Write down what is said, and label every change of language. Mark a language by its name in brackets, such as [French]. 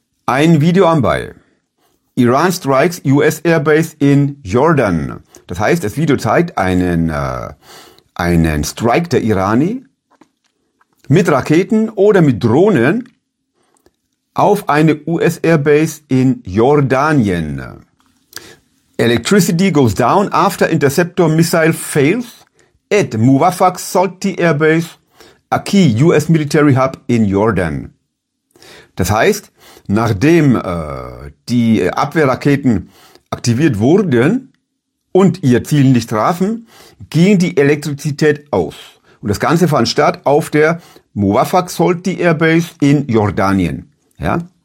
[German] Ein Video am Ball. [English] Iran strikes US Airbase in Jordan. [German] Das heißt, das Video zeigt einen Strike der Irani mit Raketen oder mit Drohnen auf eine US Airbase in Jordanien. [English] Electricity goes down after interceptor missile fails at Muwaffaq Salty Airbase, a key US military hub in Jordan. [German] Das heißt, nachdem die Abwehrraketen aktiviert wurden und ihr Ziel nicht trafen, ging die Elektrizität aus. Und das Ganze fand statt auf der Muwaffaq Salty Airbase in Jordanien. Ja?